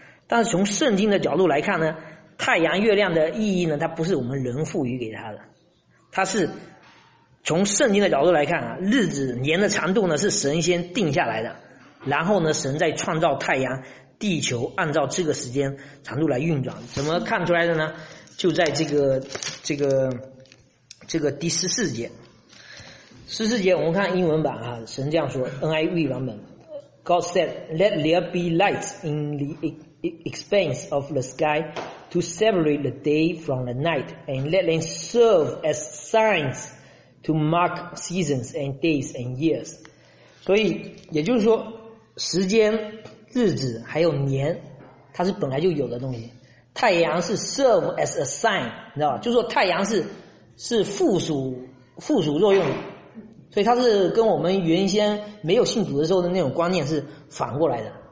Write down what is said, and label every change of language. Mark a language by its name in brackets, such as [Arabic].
[Chinese] 但是从圣经的角度来看呢，太阳、月亮的意义呢，它不是我们人赋予给它的，它是从圣经的角度来看啊，日子年的长度呢是神先定下来的，然后呢，神再创造太阳、地球，按照这个时间长度来运转。怎么看出来的呢？就在这个第十四节。十四节我们看英文版啊，神这样说 ,NIV 版本。 [English] God said, let there be light in the expanse of the sky to separate the day from the night, and let them serve as signs to mark seasons and days and years. [Chinese] 所以也就是说，时间、日子还有年，它是本来就有的东西。太阳是 [English] serve as a sign, [Chinese] 你知道吧，就是说太阳是附属作用的。所以它是跟我们原先没有信主的时候的那种观念是反过来的。